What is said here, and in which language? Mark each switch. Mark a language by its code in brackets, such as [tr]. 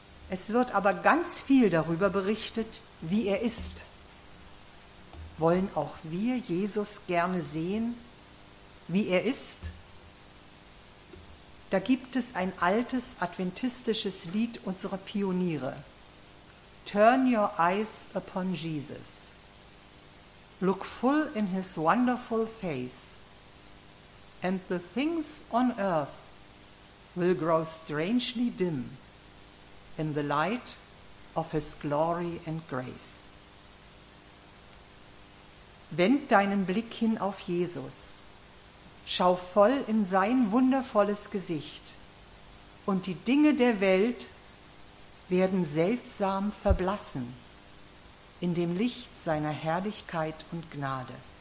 [de] Es wird aber ganz viel darüber berichtet, wie er ist. Wollen auch wir Jesus gerne sehen, wie er ist? Da gibt es ein altes adventistisches Lied unserer Pioniere. [en] Turn your eyes upon Jesus. Look full in his wonderful face. And the things on earth will grow strangely dim in the light of his glory and grace. [de] Wend deinen Blick hin auf Jesus. Schau voll in sein wundervolles Gesicht. Und die Dinge der Welt werden seltsam verblassen in dem Licht seiner Herrlichkeit und Gnade.